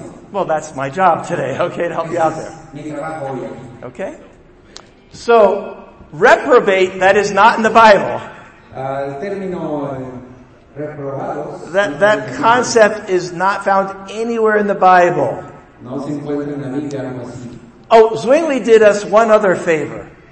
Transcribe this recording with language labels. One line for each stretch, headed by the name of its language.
English: Well, that's my job today, okay, to help you out there. Okay? So, reprobate, that is not in the Bible. That concept is not found anywhere in the Bible.
Spanish: No se encuentra en la Biblia, algo así.
English: Oh, Zwingli did us one other favor.